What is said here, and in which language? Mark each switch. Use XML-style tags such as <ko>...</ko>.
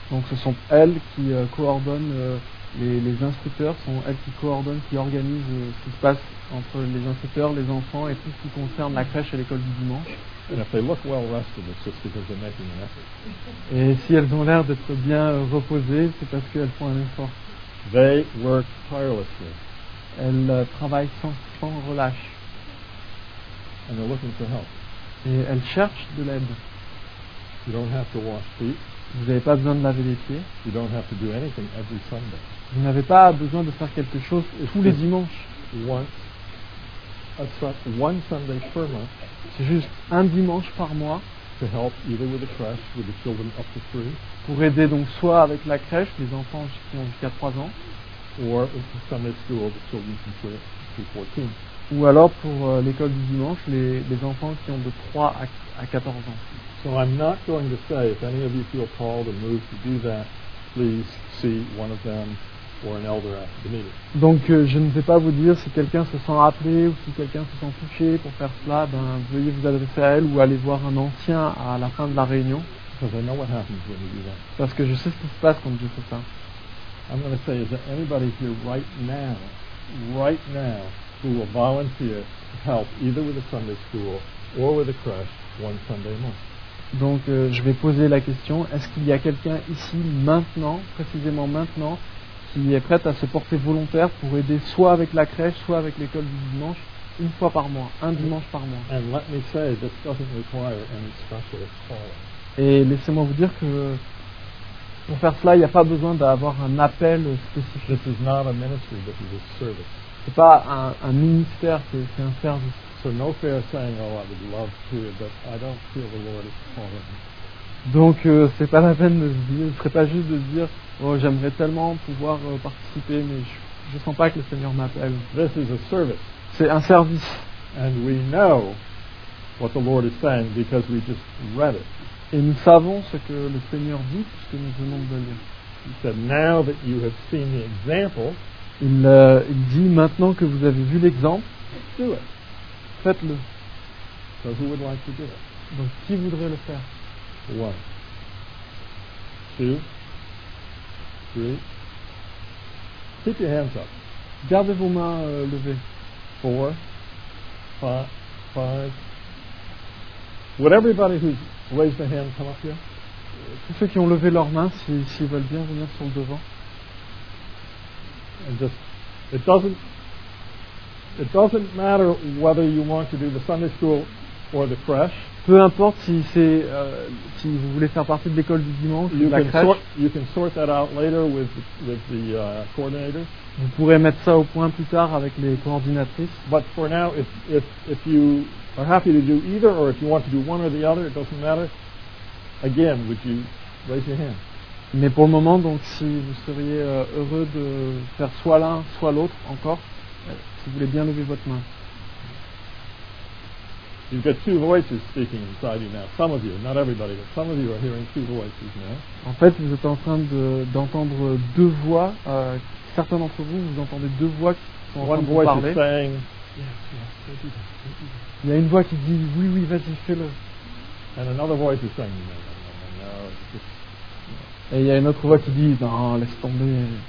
<fr>Donc ce sont elles qui coordonnent les instructeurs, sont elles qui coordonnent, qui organisent ce qui se passe entre les instructeurs, les enfants et tout ce qui concerne la crèche et l'école du dimanche. Et si elles ont l'air d'être bien reposées, c'est parce qu'elles font un effort.</fr> <en>They work tirelessly.</en> <fr>Elles travaillent sans relâche.</fr> <en>And they're looking for help.</en> <fr>Et elles cherchent de l'aide.</fr> <en>You don't have to wash feet.</en> <fr>Vous n'avez pas besoin de laver les pieds.</fr> <en>You don't have to do anything every Sunday.</en> <fr>Vous n'avez pas besoin de faire quelque chose tous les dimanches.</fr> <en>One Sunday per month.</en> <fr>C'est juste un dimanche par mois.</fr> <en>To help either with the crèche, with the children up to 3.</en> <fr>Pour aider donc soit avec la crèche, les enfants qui ont jusqu'à 3 ans.</fr> <en>Or with the Sunday school, the children from 3 to 14.</en> <fr>Ou alors pour l'école du dimanche, les enfants qui ont de 3 à 14 ans.</fr> <en>So I'm not going to say if any of you feel called or moved to do that, please see one of them. Or an elder after the meeting.</en> <fr>Donc je ne vais pas vous dire si quelqu'un se sent appelé ou si quelqu'un se sent touché pour faire cela, ben veuillez vous adresser à elle ou aller voir un ancien à la fin de la réunion.</fr> <en>Because I know what happens when you do that.</en> <fr>Parce que je sais ce qui se passe quand je fais ça.</fr> <en>I'm going to say, is there anybody here right now who will volunteer to help either with a Sunday school or with a crèche one Sunday a month?</en> <fr>Donc je vais poser la question, est-ce qu'il y a quelqu'un ici maintenant, précisément maintenant, qui est prêt à se porter volontaire pour aider soit avec la crèche, soit avec l'école du dimanche, une fois par mois, un dimanche par mois.</fr> <en>And let me say, this doesn't require any special call.</en> <fr>Et laissez-moi vous dire que pour faire cela, il n'y a pas besoin d'avoir un appel spécifique.</fr> <en>This is not a ministry, but it is service.</en> <fr>C'est pas un ministère, c'est un service.</fr> <en>So no fair saying, oh, I would love to, but I don't feel the Lord is calling.</en> <fr>Donc c'est pas la peine de se dire, ce serait pas juste de se dire, oh, j'aimerais tellement pouvoir participer, mais je sens pas que le Seigneur m'appelle.</fr> <en>This is a service.</en> <fr>C'est un service.</fr> <en>And we know what the Lord is saying because we just read it.</en> <fr>Et nous savons ce que le Seigneur dit puisque nous venons de lire.</fr> <en>He said, now that you have seen the example.</en> <fr>Il dit maintenant que vous avez vu l'exemple.</fr> <en>Do it.</en> <fr>Faites-le.</fr> <en>So who would like to do it?</en> <fr>Donc qui voudrait le faire?</fr> <en>One. Two. Three. Keep your hands up.</en> <fr>Gardez vos mains levées.</fr> <en>Four. Five. Would everybody who's raised their hand come up here?</en> <fr>Tous ceux qui ont levé leurs mains, s'ils veulent bien venir sur le devant.</fr> <en>And just, it doesn't matter whether you want to do the Sunday school or the crèche.</en> <fr>Peu importe si c'est si vous voulez faire partie de l'école du dimanche ou la crèche.</fr> <en>You can sort that out later with the coordinator.</en> <fr>Vous pourrez mettre ça au point plus tard avec les coordinatrices.</fr> <en>But for now, if you are happy to do either, or if you want to do one or the other, it doesn't matter. Again, would you raise your hand?</en> <fr>Mais pour le moment, donc, si vous seriez heureux de faire soit l'un, soit l'autre, encore, si vous voulez bien lever votre main.</fr> <en>You've got two voices speaking inside you now. Some of you, not everybody, but some of you are hearing two voices now.</en> <fr>En fait, vous êtes en train d'entendre deux voix. Certains d'entre vous, vous entendez deux voix qui sont en train de vous parler.</fr> <en>One voice is saying, yes, yes.</en> <fr>Il y a une voix qui dit, oui, oui, vas-y, fais-le.</fr> <en>And another voice is saying, no, it's just...</en> <fr>Et il y a une autre voix qui dit, non, laisse tomber.</fr>